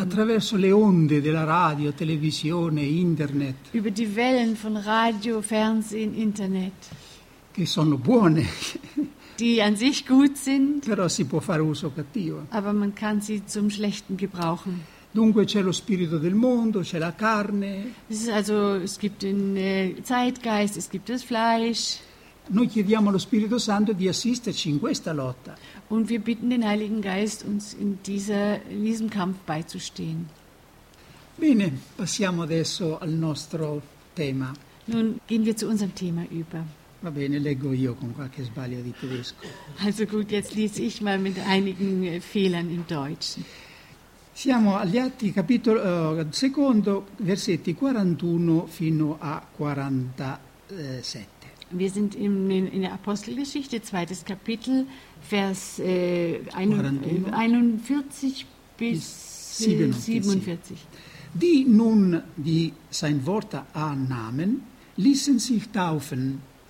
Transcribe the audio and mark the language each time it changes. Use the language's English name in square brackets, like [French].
[Italian] Attraverso le onde della radio, televisione, internet. [German] Über die Wellen von Radio, Fernsehen, Internet. [Italian] Che sono buone. [German] Die an sich gut sind, [Italian] però si può fare uso cattivo. [German] Aber man kann sie zum Schlechten gebrauchen. [Italian] Dunque c'è lo spirito del mondo, c'è la carne. [German] Es gibt den Zeitgeist, es gibt das Fleisch. [Italian] Noi chiediamo allo Spirito Santo di assisterci in questa lotta. [German] Und wir bitten den Heiligen Geist, uns in diesem Kampf beizustehen. [Italian] Bene, passiamo adesso al nostro tema. [German] Nun gehen wir zu unserem Thema über. [Italian] Va bene, leggo io con qualche sbaglio di tedesco. [German] Also gut, jetzt lese ich mal mit einigen Fehlern in Deutsch. [Italian] Siamo agli Atti capitolo secondo versetti 41 fino a 47. [German] Wir sind in der Apostelgeschichte zweites Kapitel Vers 41 bis 47. Die nun die sein Wort annahmen, ließen sich taufen.